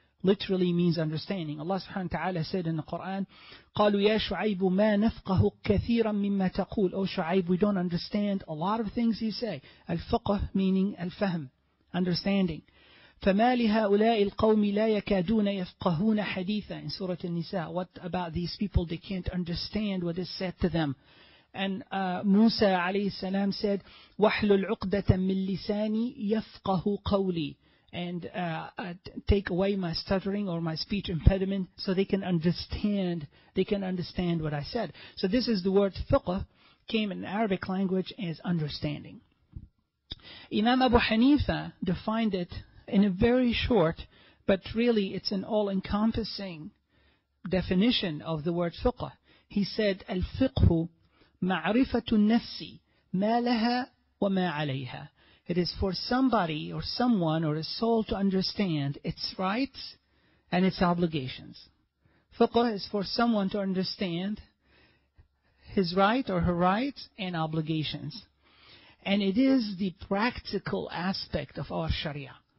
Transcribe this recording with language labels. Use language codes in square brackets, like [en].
[en] Literally means understanding. Allah subhanahu wa ta'ala said in the Quran, [ar] قَالُوا يَا شُعَيْبُ مَا نَفْقَهُ كَثِيرًا مِمَّا تَقُولُ. [en] Oh Shu'aib, we don't understand a lot of things you say. Al-fiqh meaning al-fahm, understanding. [ar] فَمَا لِهَؤُلَاءِ الْقَوْمِ لَا يَكَادُونَ يَفْقَهُونَ حَدِيثًا. [en] In Surah An-Nisa, what about these people? They can't understand what is said to them. And Musa alayhi salam said, [ar] وَحْلُ الْعُقْدَةً مِنْ لِسَانِي يَفْقَهُ قَوْلِي. [en] And take away my stuttering or my speech impediment so they can understand, what I said. So this is the word fiqh, came in Arabic language as understanding. Imam Abu Hanifa defined it in a very short, but really it's an all-encompassing definition of the word fiqh. He said, [ar] الفقه معرفة النفس ما لها وما عليها. [en] It is for somebody or someone or a soul to understand its rights and its obligations. Fiqh is for someone to understand his right or her rights and obligations. And it is the practical aspect of our Sharia.